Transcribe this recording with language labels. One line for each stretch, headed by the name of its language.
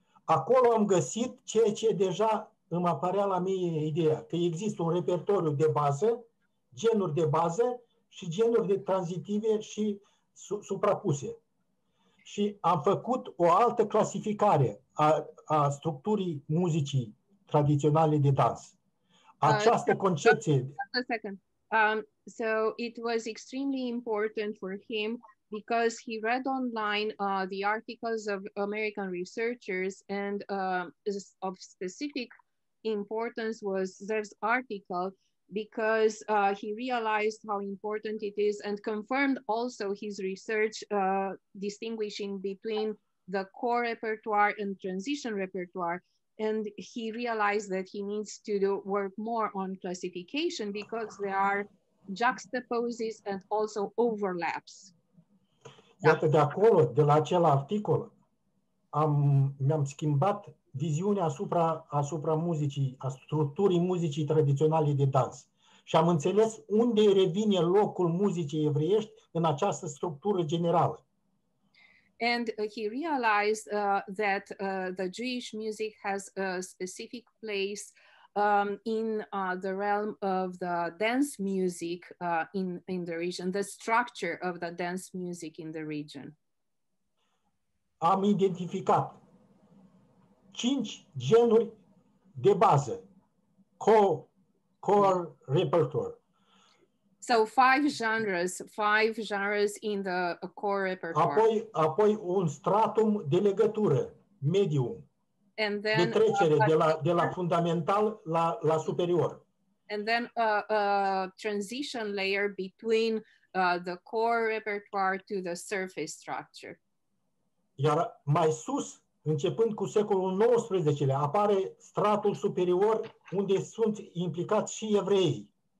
Romanian: Acolo am găsit ceea ce deja îmi apărea la mie ideea, că există un repertoriu de bază, genuri de bază și genuri de tranzitive și suprapuse. Și am făcut o altă clasificare a structurii muzicii tradiționale de dans. Această concepție...
English: So it was extremely important for him because he read online the articles of American researchers and of specific importance was Zev's article because he realized how important it is and confirmed also his research distinguishing between the core repertoire and transition repertoire. And he realized that he needs to work more on classification because there are juxtaposes and also overlaps.
Romanian: Iată, de acolo, de la acel articol, mi-am schimbat viziune asupra muzicii, a structurii muzicii tradiționale de dans. Și am înțeles unde revine locul muzicii evreiești în această structură generală.
English: And he realized that the Jewish music has a specific place in the realm of the dance music in the region, the structure of the dance music in the region.
Romanian: Am identificat 5 genuri de bază, core repertoire.
English: So 5 genres in the core repertoire.
Romanian: Apoi un stratum de legătură, medium.
English: And then
Romanian: de trecere de la fundamental la superior.
English: And then a transition layer between the core repertoire to the surface structure.
Romanian: Iar mai sus, începând cu secolul XIX-lea, apare stratul superior unde sunt implicați și evreii.